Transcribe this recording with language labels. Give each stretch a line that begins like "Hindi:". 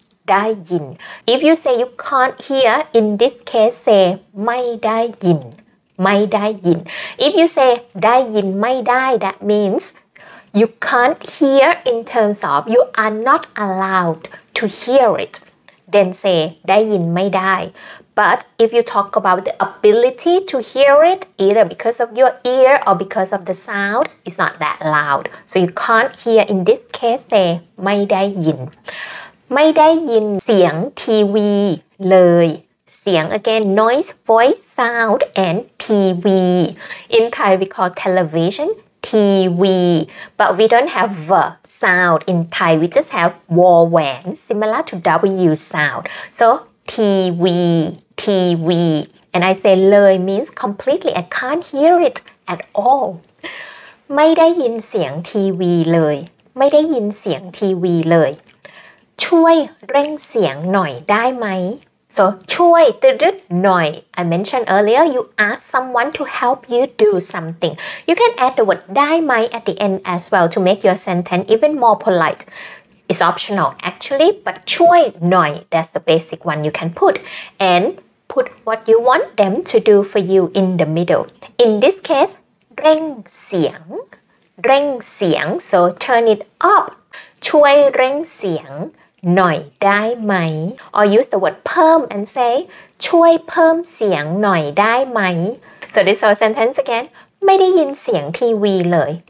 English: ได้ยิน if you say you can't hear in this case say ไม่ได้ยินไม่ได้ยิน if you say ได้ยินไม่ได้ that means you can't hear in terms of you are not allowed to hear it then say ได้ยินไม่ได้But if you talk about the ability to hear it, either because of your ear or because of the sound, it's not that loud. So you can't hear in this case, say, ไม่ได้ยิน
Thai: ไม่ได้ยินเสียงทีวีเลย
English: เสียง again, noise, voice, sound, and TV. In Thai, we call television TV, but we don't have a sound in Thai. We just have wawan, similar to W sound. So,TV, TV, and I say เลย means completely, I can't hear it at all.
Thai: ไม่ได้ยินเสียงทีวีเลยไม่ได้ยินเสียงทีวีเลยช่วยเร่งเสียงหน่อยได้ไหม
English: So, ช่วยตรึดหน่อย I mentioned earlier, you ask someone to help you do something. You can add the word ได้ไหม at the end as well to make your sentence even more polite. It's optional actually, but ช่วยหน่อย that's the basic one you can put. And put what you want them to do for you in the middle. In this case, เร่งเสียง เร่งเสียง so turn it up.
Thai: ช่วยเร่งเสียงหน่อยได้ไหม?
English: Or use the word
Thai: เพิ่ม and say, ช่วยเพิ่มเสียงหน่อยได้ไหม?
English: So this whole sentence again,
Thai: ไม่ได้ยินเสียงทีวีเลย.